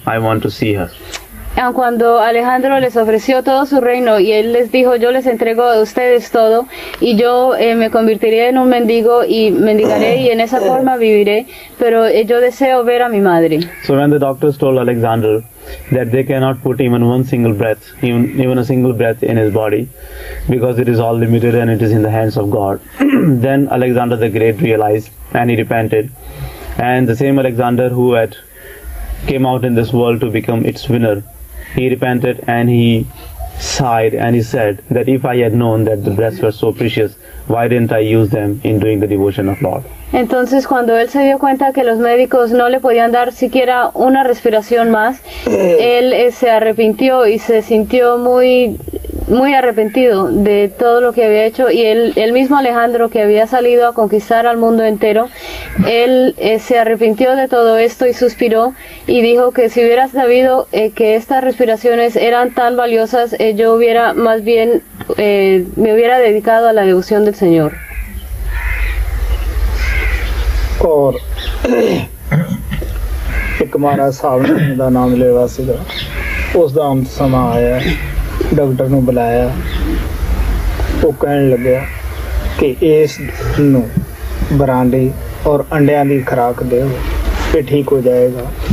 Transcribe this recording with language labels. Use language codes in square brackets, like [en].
[en] I want to see her. [es] Aun cuando Alejandro les ofreció todo su reino y él les dijo, yo les entrego a ustedes todo y yo me convertiré en un mendigo y mendigaré y en esa forma viviré, pero yo deseo ver a mi madre. [en] So when the doctors told Alexander that they cannot put even one single breath, even a single breath in his body, because it is all limited and it is in the hands of God, then Alexander the Great realized and he repented. And the same Alexander who had came out in this world to become its winner, he repented and he sighed and he said that if I had known that the breaths were so precious, why didn't I use them in doing the devotion of Lord? [es] Entonces, cuando él se dio cuenta que los médicos no le podían dar siquiera una respiración más, él se arrepintió y se sintió muy muy arrepentido de todo lo que había hecho, y el mismo Alejandro, que había salido a conquistar al mundo entero, se arrepintió de todo esto y suspiró y dijo que si hubiera sabido que estas respiraciones eran tan valiosas, yo hubiera más bien me hubiera dedicado a la devoción del Señor. Por [pa] Kumara ਸਾਹਿਬ ਦਾ ਨਾਮ ਲੇਵਾ ਸੀਗਾ, ਉਸਦਾ ਅੰਤ ਸਮਾਂ ਆਇਆ, doctor ਨੂੰ ਬੁਲਾਇਆ, ਉਹ ਕਹਿਣ ਲੱਗਿਆ ਕਿ ਇਸ ਨੂੰ ਬਰਾਂਡੀ ਔਰ ਅੰਡਿਆਂ ਦੀ ਖੁਰਾਕ ਦਿਓ, ਇਹ ਠੀਕ ਹੋ ਜਾਏਗਾ।